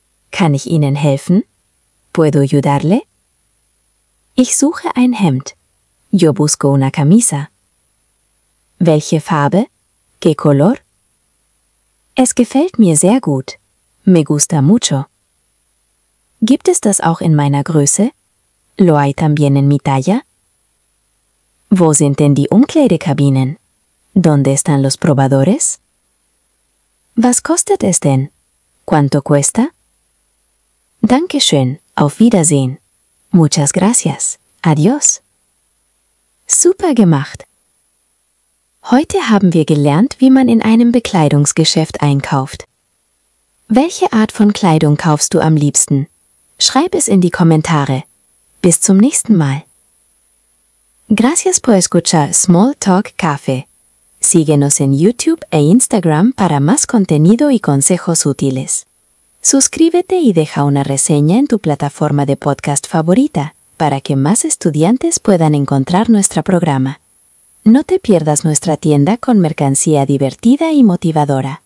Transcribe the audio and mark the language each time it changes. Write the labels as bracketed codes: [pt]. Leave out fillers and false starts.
[de] Kann ich Ihnen helfen? [es] ¿Puedo ayudarle? [de] Ich suche ein Hemd. [es] Yo busco una camisa. [de] Welche Farbe? [es] ¿Qué color? [de] Es gefällt mir sehr gut. [es] Me gusta mucho. [de] Gibt es das auch in meiner Größe? [es] ¿Lo hay también en mi talla? [de] Wo sind denn die Umkleidekabinen? [es] ¿Dónde están los probadores? [de] Was kostet es denn? [es] ¿Cuánto cuesta? [de] Dankeschön. Auf Wiedersehen. [es] Muchas gracias. Adiós. [de] Super gemacht. Heute haben wir gelernt, wie man in einem Bekleidungsgeschäft einkauft. Welche Art von Kleidung kaufst du am liebsten? Schreib es in die Kommentare. Bis zum nächsten Mal. [es] Gracias por escuchar Small Talk Café. Síguenos en YouTube e Instagram para más contenido y consejos útiles. Suscríbete y deja una reseña en tu plataforma de podcast favorita para que más estudiantes puedan encontrar nuestro programa. No te pierdas nuestra tienda con mercancía divertida y motivadora.